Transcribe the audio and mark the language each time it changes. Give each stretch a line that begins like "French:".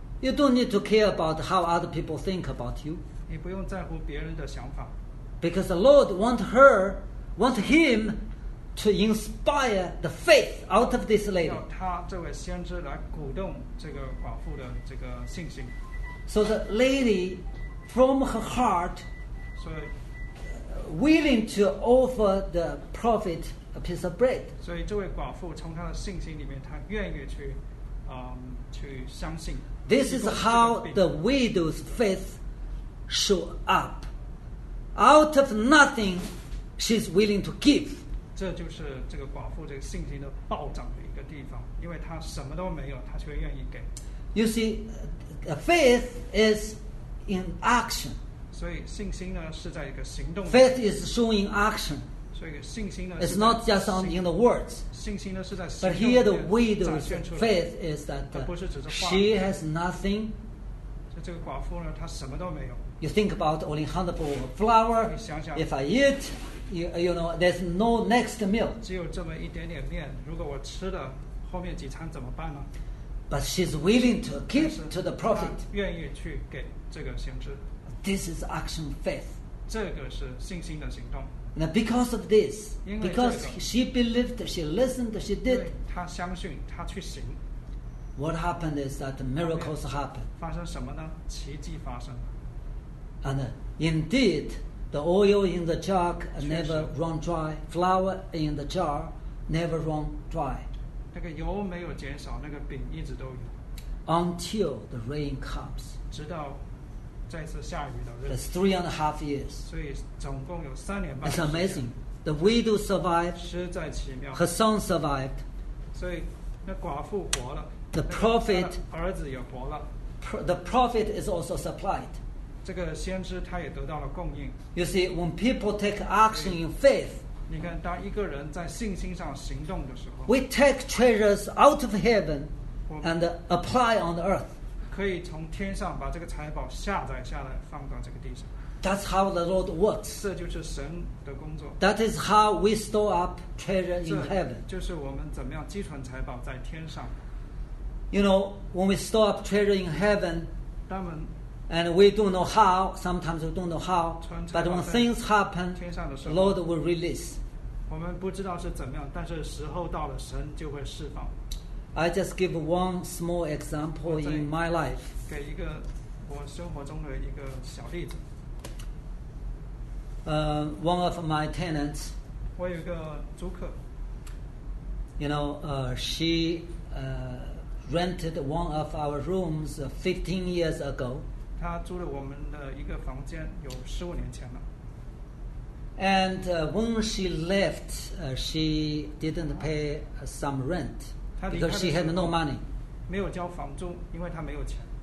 English: You don't need to care about how other people think about you.
Chinese: 你不用在乎别人的想法。
English: Because the Lord wants him to inspire the faith out of this lady.
Chinese: 要他这位先知来鼓动这个寡妇的这个信心。
English: So the lady, from her heart, so, willing to offer the prophet a piece of bread.
Chinese: 所以这位寡妇从她的信心里面，她愿意去，去相信。
English: This is how the widow's faith showed up. Out of nothing, she's willing to give.
Chinese: 这就是这个寡妇这个信心的暴涨的一个地方，因为她什么都没有，她却愿意给。
English: You see, the faith is in action.
Chinese: 所以信心呢是在一个行动。
English: Faith is showing action.
Chinese: 所以信心呢
English: ，it's not just on in the words.
Chinese: 信心呢是在行动。
English: But here the widow's faith is that she has nothing.
Chinese: 所以这个寡妇呢，她什么都没有。
English: You think about only 100 flour.
Chinese: 你想想
English: ，if I eat. You know, there's no next meal.
Chinese: 只有这么一点点面，如果我吃了后面几餐怎么办呢？
English: But she's willing to keep to the prophet.
Chinese: 愿意去给这个先知。
English: This is action faith.
Chinese: 这个是信心的行动。
English: Now because of this,
Chinese: 因为这个,
English: because she believed, she listened, she did.
Chinese: 她相信，她去行。
English: What happened is that miracles happened.
Chinese: 发生什么呢？奇迹发生了。
English: And indeed. The oil in the jar never run dry. Flour in the jar never run dry.
Chinese: 那个油没有减少，那个饼一直都有。
English: Until the rain comes.
Chinese: 直到再次下雨的日子。
English: That's 3.5 years.
Chinese: 所以总共有三年半。
English: It's amazing. The widow survived.
Chinese: 实在奇妙。
English: Her son survived.
Chinese: 所以那寡妇活了。
English: The prophet.
Chinese: 儿子也活了。
English: The prophet is also supplied.
Chinese: 这个先知他也得到了供应。
English: You see, when people take action in faith,
Chinese: 你看，当一个人在信心上行动的时候
English: ，we take treasures out of heaven and apply on the earth.
Chinese: 可以从天上把这个财宝下载下来，放到这个地上。
English: That's how the Lord works.
Chinese: 这就是神的工作。
English: That is how we store up treasure in heaven.
Chinese: 就是我们怎么样积存财宝在天上。
English: You know, when we store up treasure in heaven,
Chinese: 当我们
English: And we don't know how. Sometimes we don't know how. But when things happen, Lord will release.
Chinese: 我们不知道是怎么样，但是时候到了，神就会释放。
English: I just give one small example in my life.
Chinese: 给一个我生活中的一个小例子。
English: One of my tenants.
Chinese: 我有个租客。
English: You know, she rented one of our rooms 15 years ago.
Chinese: 他租了我们的一个房间有15年前了。
English: And when she left, she didn't pay some rent because she had no money.
Chinese: 没有交房租，因为她没有钱。